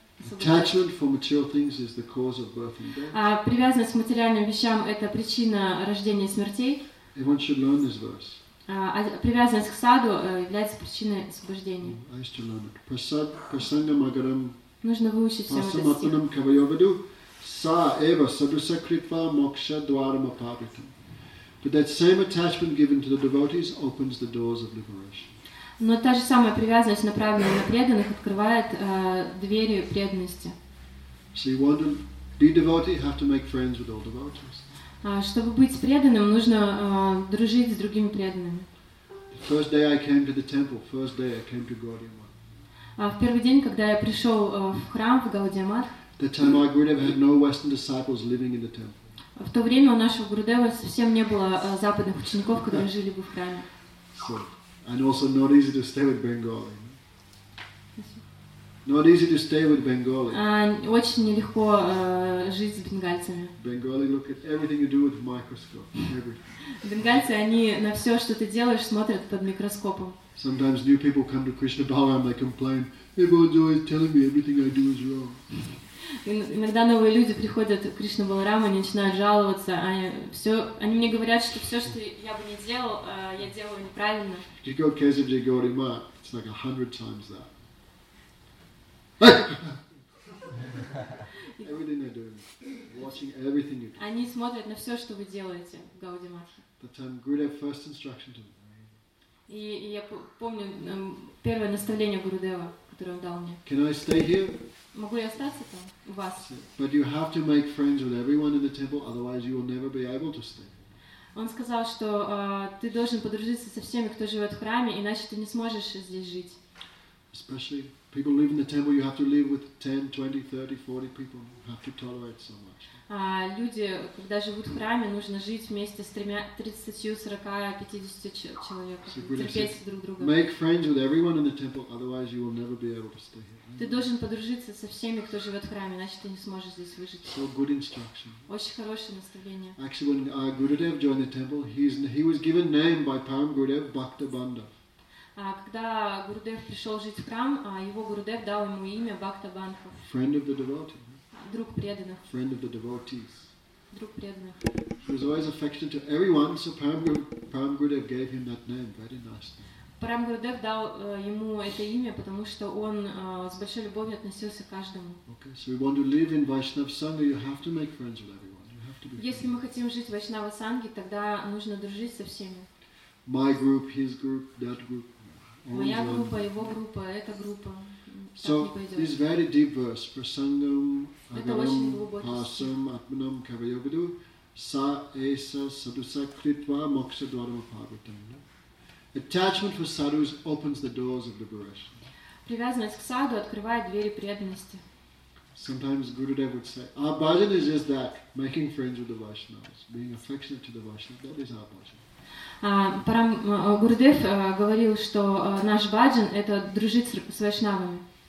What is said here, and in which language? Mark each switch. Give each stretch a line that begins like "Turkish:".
English: Attachment for material things is the cause of birth and death.
Russian: А привязанность к материальным вещам — это причина рождения и смертей.
English: Everyone should learn this verse.
Russian: Привязанность к саду является причиной освобождения.
English: I used to learn it.
Sanskrit: Prasad, prasanga magaram.
Russian: Нужно выучить всем этот стих.
Sanskrit: Prasamatanam kavayovadu sa eva sadusakritva moksha dwaram apavitam.
English: But that same attachment given to the devotees opens the doors of liberation.
Russian: Но та же самая привязанность, направленная на преданных, открывает двери преданности.
English: So you want to be devotee, you have to make friends with all devotees.
Russian: Чтобы быть преданным, нужно дружить с другими преданными.
English: The first day I came to the temple, first day I came to Gaudiya Math.
Russian: В первый день, когда я пришел в храм в Gaudiya Math.
English: The time our Gurudev had no Western disciples living in the temple.
Russian: В то время у нашего Гурудева совсем не было западных учеников, которые жили бы в храме.
English: So, and also not easy to stay with Bengali. Not easy to stay with Bengali.
Russian: Очень нелегко жить с бенгальцами.
English: Bengali look at everything you do with a microscope. Everything.
Russian: Бенгальцы, они на все, что ты делаешь, смотрят под микроскопом.
English: Sometimes new people come to Krishna Balaram, they complain, everyone's always telling me everything I do is wrong.
Russian: Иногда новые люди приходят к Кришна Баларама, они начинают жаловаться, они мне говорят, что все, что я бы не делал, я делаю неправильно.
English: If you go to Kesavji Gaudi Math, it's like 100 times that. Everything they're doing, watching everything you do.
Russian: Они смотрят на все, что вы делаете в Gaudiya Mathе.
English: The time Gurudev first instruction to them.
Russian: И я помню первое наставление Гурудева, которое он дал мне.
English: Can I stay here?
Russian: Могу я остаться там у вас?
English: But you have to make friends with everyone in the temple, otherwise you will never be able to stay.
Russian: Он сказал, что ты должен подружиться со всеми, кто живет в храме, иначе ты не сможешь здесь жить.
English: Especially. People live in the temple, you have to live with 10, 20, 30, 40 people. You have to tolerate so much.
Russian: Люди, когда живут в храме, нужно жить вместе с 30, 40, 50 человек, терпеть друг друга.
English: Make friends with everyone in the temple, otherwise you will never be able to stay here.
Russian: Ты должен подружиться со всеми, кто живет в храме, иначе ты не сможешь здесь выжить.
English: So good instruction.
Russian: Очень хорошее наставление.
English: Actually, when Gurudev joined the temple, he was given name by Param Gurudev, Bhakta Banda.
Russian: Когда Гурудев пришел жить в храм, его Гурудев дал ему имя Бхакта Банха.
English: Friend of the devotee.
Russian: Друг преданных.
English: Friend of the devotees.
Russian: Друг преданных.
English: He was always affectionate to everyone, so Param Gurudev gave him that name. Very nice.
Russian: Param Гурудев дал ему это имя, потому что он с большой любовью относился к каждому.
English: Okay, so we want to live in Vaishnava Sangha, you have to make friends with everyone. You have to be friends.
Russian: Если мы хотим жить в Вайшнава Санге, тогда нужно дружить со всеми.
English: My group, his group, that group.
Russian: Моя группа, его группа, эта группа.
English: So this very deep verse,
Sanskrit: prasangam agaram pasam atmanam kavayogadu sa esa sadusa kritva moksha dwaram apavitam.
English: Attachment for sadhus opens the doors of liberation.
Russian: Привязанность к саду открывает двери преданности.
English: Sometimes Gurudev would say, our bhajan is just that, making friends with the Vaishnavas, being affectionate to the Vaishnavas, that is our bhajan.
Russian: Парам Гурудев говорил, что наш баджан — это дружить с вайшнавами.